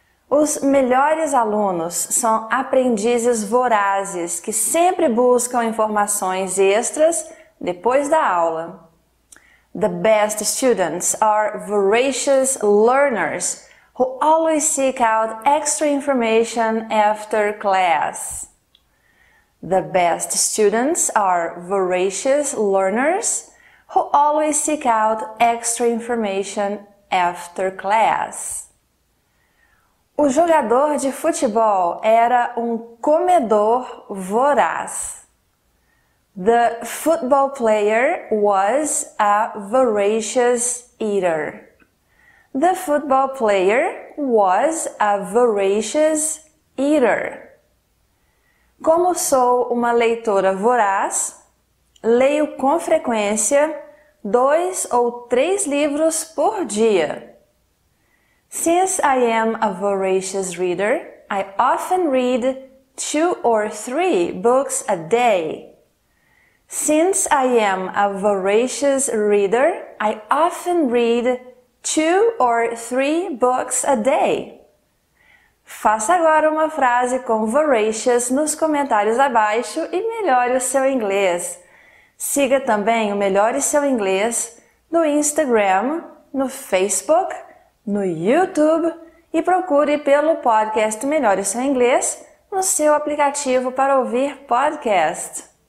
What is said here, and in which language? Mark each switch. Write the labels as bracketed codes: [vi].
[pt] Os melhores alunos são aprendizes vorazes que sempre buscam informações extras depois da aula. [en] The best students are voracious learners who always seek out extra information after class. The best students are voracious learners who always seek out extra information after class. [pt] O jogador de futebol era comedor voraz. [en] The football player was a voracious eater. The football player was a voracious eater. [pt] Como sou uma leitora voraz, leio com frequência 2 ou 3 livros por dia. [en] Since I am a voracious reader, I often read 2 or 3 books a day. Since I am a voracious reader, I often read 2 or 3 books a day. [pt] Faça agora uma frase com voracious nos comentários abaixo e melhore o seu inglês. Siga também o Melhore Seu Inglês no Instagram, no Facebook, no YouTube e procure pelo podcast Melhore Seu Inglês no seu aplicativo para ouvir podcast.